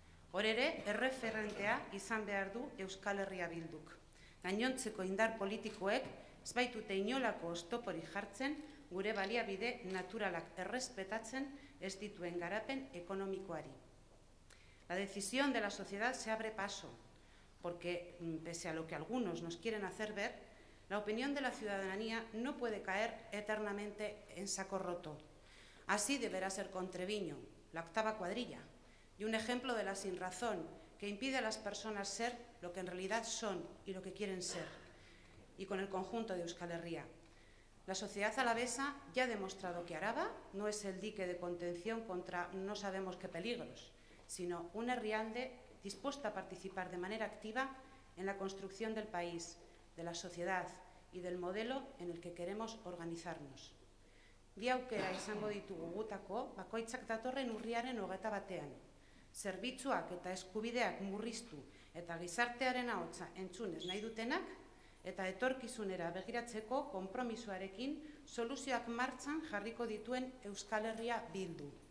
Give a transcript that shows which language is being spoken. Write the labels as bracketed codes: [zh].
[eu] Hor ere, erreferentea izan behar du Euskal Herria Bilduk. Gainontzeko indar politikoek ez baitute inolako oztopori jartzen gure baliabide naturalak errespetatzen ez dituen garapen ekonomikoari. [es] La decisión de la sociedad se abre paso, porque, pese a lo que algunos nos quieren hacer ver, la opinión de la ciudadanía no puede caer eternamente en saco roto. Así deberá ser con Treviño, la octava cuadrilla, y un ejemplo de la sinrazón que impide a las personas ser lo que en realidad son y lo que quieren ser, y con el conjunto de Euskal Herria. La sociedad alavesa ya ha demostrado que Araba no es el dique de contención contra no sabemos qué peligros, sino un herrialde dispuesto a participar de manera activa en la construcción del país, de la sociedad y del modelo en el que queremos organizarnos. [eu] Bi aukera izango ditugu gutako, bakoitzak datorren urriaren 21ean. Zerbitzuak eta eskubideak murriztu eta gizartearen ahotsa entzunez nahi dutenak, eta etorkizunera begiratzeko konpromisoarekin soluzioak martxan jarriko dituen Euskal Herria Bildu.